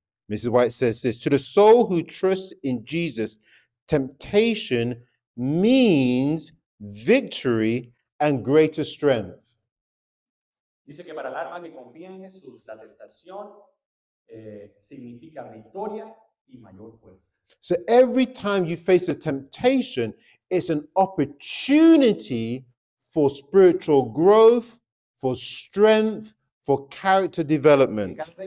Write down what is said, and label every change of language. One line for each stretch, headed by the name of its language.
English: Mrs. White says this: to the soul who trusts in Jesus, temptation means victory and greater strength.
Spanish: Dice que para el alma que confía en Jesús, la tentación significa victoria y mayor fuerza.
English: So every time you face a temptation, it's an opportunity for spiritual growth, for strength, for character development.